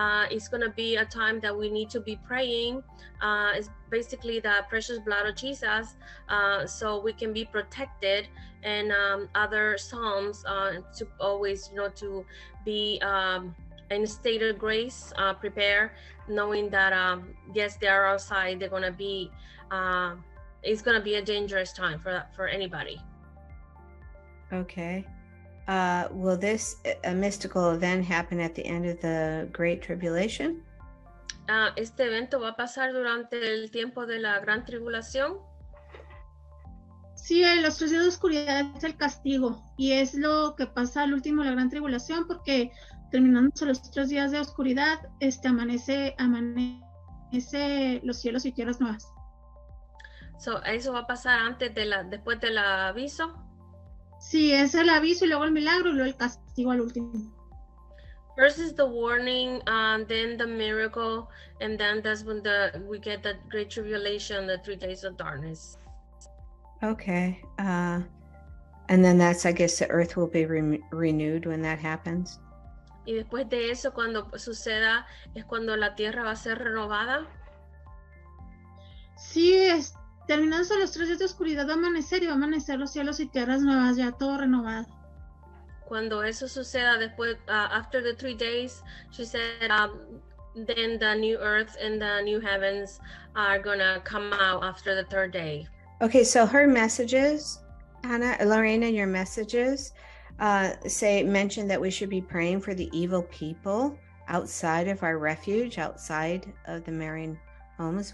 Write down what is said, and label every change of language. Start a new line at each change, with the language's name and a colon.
English: It's going to be a time that we need to be praying. It's basically the precious blood of Jesus, so we can be protected, and other psalms to always, you know, to be in a state of grace, prepare, knowing that yes, they are outside. They're gonna be. It's gonna be a dangerous time for anybody. Okay, will this a mystical event happen at the end of the Great Tribulation?
Spanish: Este evento va a pasar durante el tiempo de la Gran Tribulación. Sí, los tres días de oscuridad es el castigo y es lo que pasa al último de la Gran Tribulación porque terminándose los tres días de oscuridad, amanece los cielos y tierras nuevas. So, ¿eso va a pasar antes de la, después del aviso? Sí, es el aviso y luego el milagro y luego el castigo al último.
English: First is the warning, then the miracle, and then that's when the we get the great tribulation, the 3 days of darkness. Okay. And then that's, I guess, the earth will be renewed when that happens.
Spanish: Y después de eso, cuando suceda, es cuando la tierra va a ser renovada. Sí, terminados los tres días de oscuridad, va a amanecer y va a amanecer los cielos y tierras nuevas, ya todo renovado. Cuando eso suceda después,
English: after the 3 days, she said, then the new earth and the new heavens are gonna come out after the third day. Okay, so her messages, Anna, Lorena, your messages mention that we should be praying for the evil people outside of our refuge, outside of the Marian homes.